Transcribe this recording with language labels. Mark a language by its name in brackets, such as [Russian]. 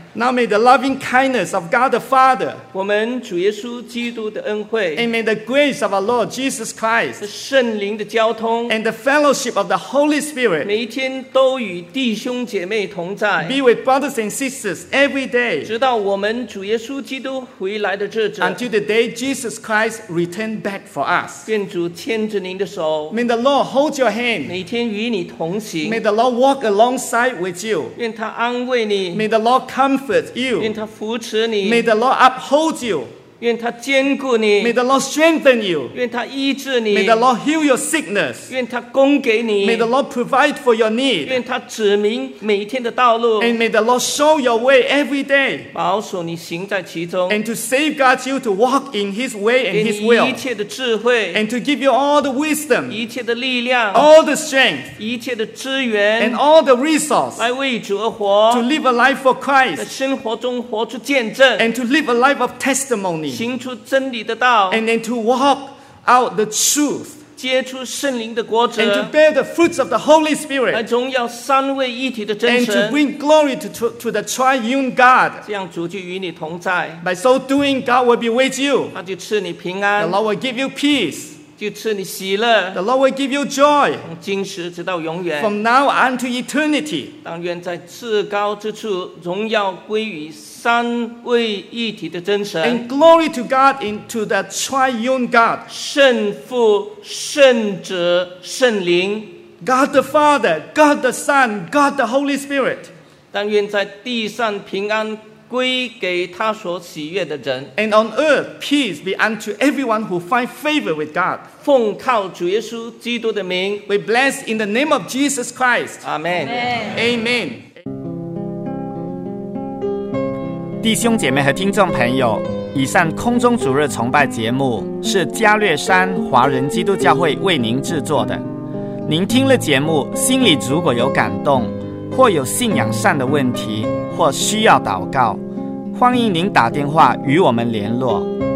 [English] Now may the loving kindness of God the Father. [Chinese] 我们主耶稣基督的恩惠。 [English] And may the grace of our Lord Jesus Christ. [Chinese] 圣灵的交通。 [English] And the fellowship of the Holy Spirit. [Chinese] 每一天都与弟兄姐妹同在。 [English] Be with brothers and sisters every day. [Chinese] 直到我们主耶稣基督回来的日子。 [English] Until the day Jesus Christ returned back for us. [Chinese] 愿主牵着您的手。 [English] May the Lord hold your hand. [Chinese] 每天与你同行。 [English] May the Lord walk alongside with you. [Chinese] 愿他安慰你。 [English] May the Lord comfort you. [Chinese] 愿他扶持你。 [English] May the Lord uphold you. [Chinese] 愿他坚固你。 [English] May the Lord strengthen you. [Chinese] 愿他医治你。 [English] May the Lord heal your sickness. [Chinese] 愿他供给你。 [English] May the Lord provide for your need. [Chinese] 愿他指明每一天的道路。 [English] And may the Lord show your way every day. [Chinese] 保守你行在其中。 [English] And to safeguard you to walk in His way and His will. [Chinese] 给你一切的智慧。 [English] And to give you all the wisdom. [Chinese] 一切的力量。 [English] All the strength. [Chinese] 一切的资源。 [English] And all the resource. [Chinese] 来为主而活。 [English] To live a life for Christ. [Chinese] 在生活中活出见证。 [English] And to live a life of testimony. [Chinese] 行出真理的道 [English] and then to walk out the truth [Chinese] 结出圣灵的果子 [English] and to bear the fruits of the Holy Spirit [Chinese] 来荣耀三位一体的真神 [English] and to bring glory to the triune God [Chinese] 这样主就与你同在 [English] by so doing God will be with you [Chinese] 他就赐你平安 [English] the Lord will give you peace [Chinese] 就赐你喜乐 [English] the Lord will give you joy [Chinese] 从今时直到永远 [English] from now unto eternity [Chinese] 但愿在至高之处荣耀归于三位一体的真神 [English] and glory to God into the triune God [Chinese] 圣父圣子圣灵 [English] God the Father God the Son God the Holy Spirit [Chinese] 但愿在地上平安归给他所喜悦的人 [English] and on earth peace be unto everyone who find favor with God [Chinese] 奉靠主耶稣基督的名 [English] we bless in the name of Jesus Christ Amen Amen, Amen. [Chinese] 弟兄姐妹和听众朋友，以上空中主日崇拜节目是嘉略山华人基督教会为您制作的。您听了节目，心里如果有感动，或有信仰上的问题，或需要祷告，欢迎您打电话与我们联络。